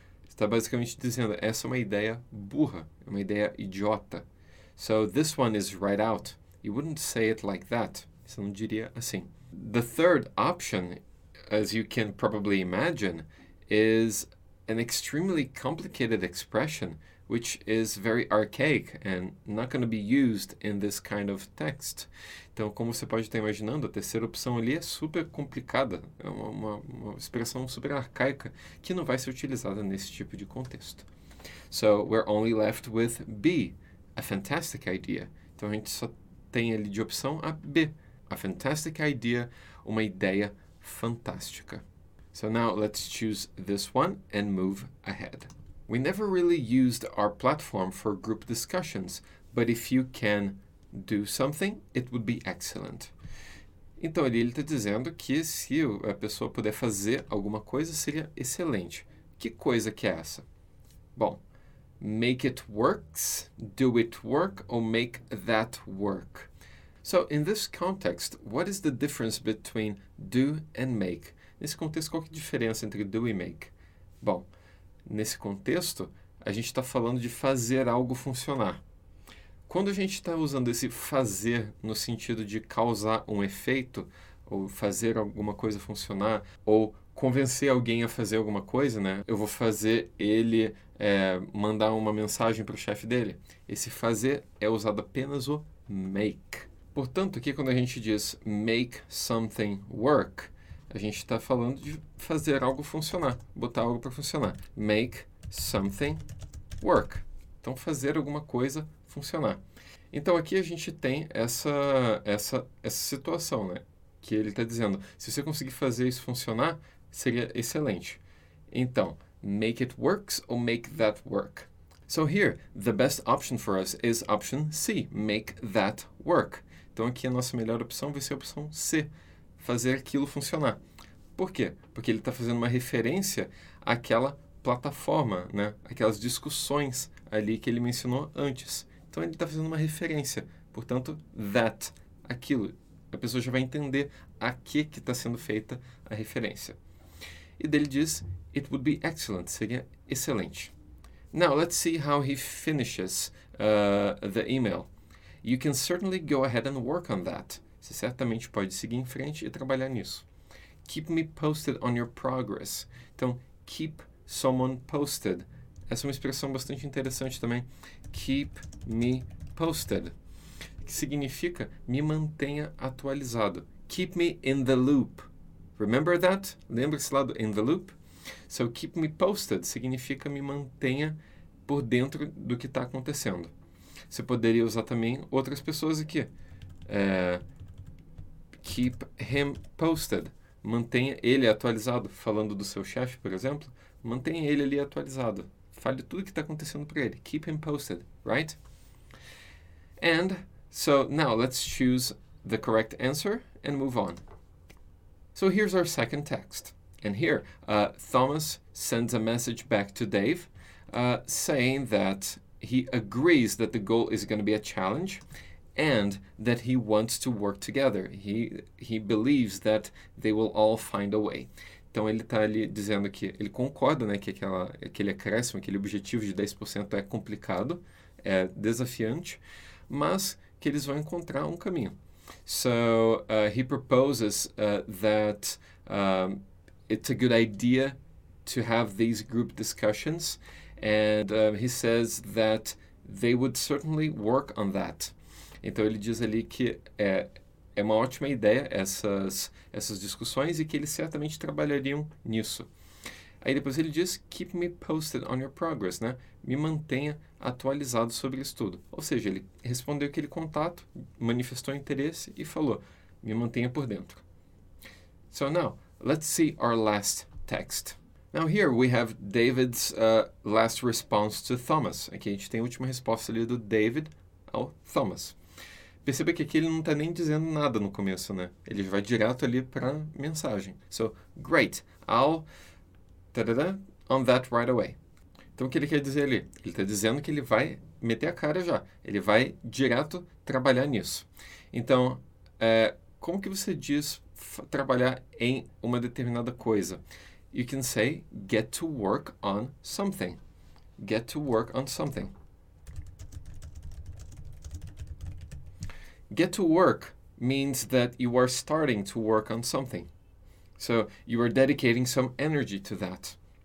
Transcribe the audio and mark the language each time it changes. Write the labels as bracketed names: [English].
[Portuguese] Está basicamente dizendo, essa é uma ideia burra, é uma ideia idiota. [English] So, this one is right out. You wouldn't say it like that. [Portuguese] Você não diria assim. [English] The third option, as you can probably imagine, is an extremely complicated expression, which is very archaic and not going to be used in this kind of text. [Portuguese] Então, como você pode estar imaginando, a terceira opção ali é super complicada, é uma expressão super arcaica que não vai ser utilizada nesse tipo de contexto. [English] So, we're only left with B, a fantastic idea. [Portuguese] Então, a gente só tem ali de opção a B, [English] a fantastic idea, [Portuguese] uma ideia fantástica. [English] So now let's choose this one and move ahead. We never really used our platform for group discussions, but if you can do something, it would be excellent. [Portuguese] Então ele está dizendo que se a pessoa puder fazer alguma coisa, seria excelente. Que coisa que é essa? Bom, [English] make it works, do it work, or make that work. So, in this context, what is the difference between do and make? [Portuguese] Nesse contexto, qual que é a diferença entre do e make? Bom, nesse contexto, a gente está falando de fazer algo funcionar. Quando a gente está usando esse fazer no sentido de causar um efeito, ou fazer alguma coisa funcionar, ou convencer alguém a fazer alguma coisa, né? Eu vou fazer ele mandar uma mensagem para o chefe dele. Esse fazer é usado apenas o make. Portanto, aqui quando a gente diz [English] make something work, [Portuguese] a gente está falando de fazer algo funcionar, botar algo para funcionar. [English] Make something work. [Portuguese] Então, fazer alguma coisa funcionar. Então, aqui a gente tem essa situação, né? Que ele está dizendo, se você conseguir fazer isso funcionar, seria excelente. Então, [English] make it works or make that work? So here, the best option for us is option C, make that work. [Portuguese] Então aqui a nossa melhor opção vai ser a opção C, fazer aquilo funcionar. Por quê? Porque ele está fazendo uma referência àquela plataforma, né? Aquelas discussões ali que ele mencionou antes. Então ele está fazendo uma referência, portanto, that, aquilo. A pessoa já vai entender a que está sendo feita a referência. E dele diz, [English] it would be excellent, [Portuguese] seria excelente. [English] Now, let's see how he finishes the email. You can certainly go ahead and work on that. [Portuguese] Você certamente pode seguir em frente e trabalhar nisso. [English] Keep me posted on your progress. [Portuguese] Então, [English] keep someone posted. [Portuguese] Essa é uma expressão bastante interessante também. [English] Keep me posted. [Portuguese] Que significa me mantenha atualizado. [English] Keep me in the loop. Remember that? [Portuguese] Lembra-se lá do [English] in the loop? So, keep me posted [Portuguese] significa me mantenha por dentro do que está acontecendo. você poderia usar também outras pessoas aqui. [English] Keep him posted. [Portuguese] Mantenha ele atualizado. Falando do seu chefe, por exemplo, mantenha ele ali atualizado. Fale tudo o que está acontecendo para ele. [English] Keep him posted, right? And so now let's choose the correct answer and move on. So here's our second text. And here, Thomas sends a message back to Dave saying that he agrees that the goal is going to be a challenge and that he wants to work together. He believes that they will all find a way. [Portuguese] Então ele está ali dizendo que ele concorda, né, que aquele acréscimo, aquele objetivo de 10% é complicado, é desafiante, mas que eles vão encontrar um caminho. [English] So he proposes that it's a good idea to have these group discussions, and he says that they would certainly work on that. [Portuguese] Então ele diz ali que é uma ótima ideia essas discussões e que eles certamente trabalhariam nisso. Aí depois ele diz, [English] keep me posted on your progress, [Portuguese] né? Me mantenha atualizado sobre isso tudo. Ou seja, ele respondeu aquele contato, manifestou interesse e falou, me mantenha por dentro. [English] So now, let's see our last text. Now here we have David's last response to Thomas. [Portuguese] Aqui a gente tem a última resposta ali do David ao Thomas. Perceba que aqui ele não está nem dizendo nada no começo, né? Ele vai direto ali para a mensagem. [English] So, great, I'll tadadá, on that right away. [Portuguese] Então, o que ele quer dizer ali? Ele está dizendo que ele vai meter a cara já. Ele vai direto trabalhar nisso. Então, como que você diz trabalhar em uma determinada coisa? [English] You can say, get to work on something. Get to work on something. Get to work means that you are starting to work on something. So, you are dedicating some energy to that.